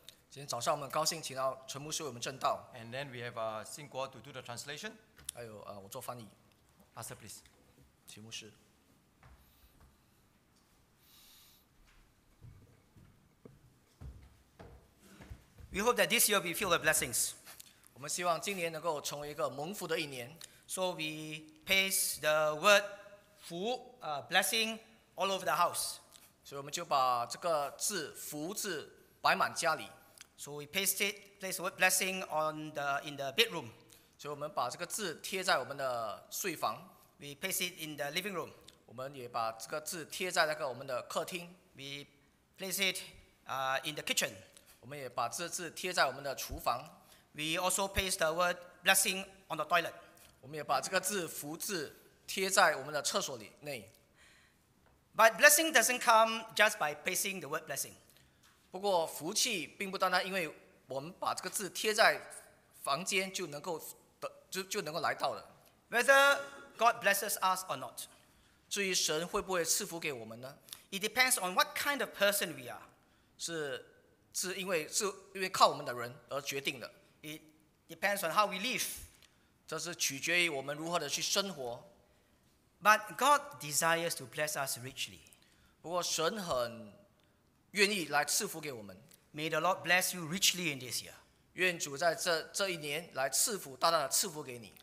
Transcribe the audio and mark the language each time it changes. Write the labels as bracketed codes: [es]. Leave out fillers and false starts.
[zh] 今天早上我们高兴请到陈牧师为我们证道。 [en] And then we have Xin Guo to do the translation. [zh] 还有我做翻译。 [en] Pastor, please. [zh] 请牧师。 [en] We hope that this year we feel the blessings. [zh] 我们希望今年能够成为一个蒙福的一年。 [en] So we paste the word 福 blessing all over the house. [zh] 所以我们就把这个字福字摆满家里。 [en] So we paste it, place the word blessing on the in the bedroom. [zh] 所以我们把这个字贴在我们的睡房。 [en] We paste it in the living room. [zh] 我们也把这个字贴在那个我们的客厅。 [en] We place it in the kitchen. [zh] 我们也把这字贴在我们的厨房。 [en] We also paste the word blessing on the toilet. [zh] 我们也把这个字福字贴在我们的厕所里内。 [en] But blessing doesn't come just by pasting the word blessing. [zh] 不过福气并不单单因为我们把这个字贴在房间就能够就能够来到了。 [en] Whether God blesses us or not. [zh] 至于神会不会赐福给我们呢？ [en] It depends on what kind of person we are. [zh] 是因为靠我们的人而决定的。 [en] It depends on how we live. [zh] 这是取决于我们如何的去生活。 [en] But God desires to bless us richly. [zh] 不过神很愿意来赐福给我们。 [en] May the Lord bless you richly in this year. [zh] 愿主在这一年来赐福，大大的赐福给你。